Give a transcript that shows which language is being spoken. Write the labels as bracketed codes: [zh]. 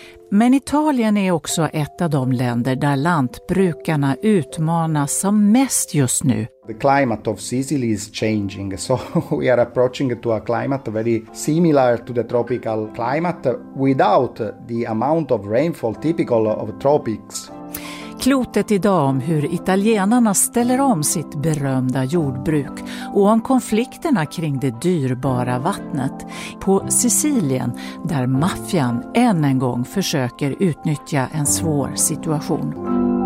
[sv] Men Italien är också ett av de länder där lantbrukarna utmanas som mest just nu. [en] The climate of Sicily is changing, so we are approaching to a climate very similar to the tropical climate without the amount of rainfall typical of tropics. [sv] Klotet idag om hur italienarna ställer om sitt berömda jordbruk och om konflikterna kring det dyrbara vattnet på Sicilien där maffian än en gång försöker utnyttja en svår situation.